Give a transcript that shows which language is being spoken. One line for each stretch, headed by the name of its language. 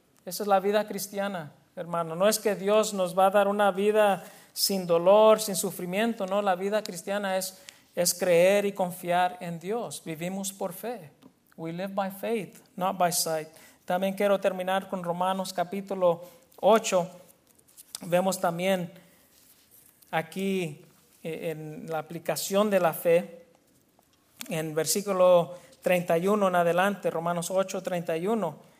Spanish: Esa es la vida cristiana. Hermano, no es que Dios nos va a dar una vida sin dolor, sin sufrimiento, no, la vida cristiana es creer y confiar en Dios. Vivimos por fe.
English: We live by faith, not by sight.
Spanish: También quiero terminar con Romanos capítulo 8. Vemos también aquí en la aplicación de la fe, en versículo 31 en adelante, Romanos 8, 31.